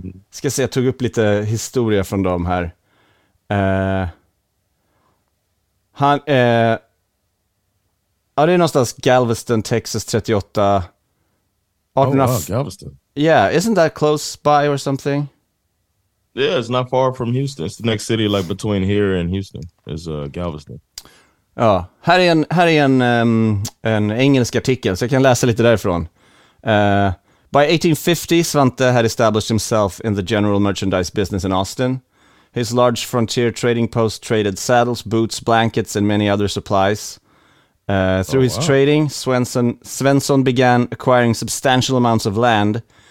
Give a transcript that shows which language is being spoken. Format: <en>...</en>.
<sv>ska se, jag tog upp lite historia från dem här. Ja, det är någonstans Galveston, Texas 38.</sv> <en>Oh, wow, Galveston. Yeah, isn't that close by or something? Yeah, it's not far from Houston. It's the next city like between here and Houston is Galveston.</en> <sv>Ja, här är en engelsk artikel så jag kan läsa lite därifrån.</sv> <en>By 1850, Svante had established himself in the general merchandise business in Austin. His large frontier trading post traded saddles, boots, blankets, and many other supplies. Trading, Svensson began acquiring substantial amounts of land.</en>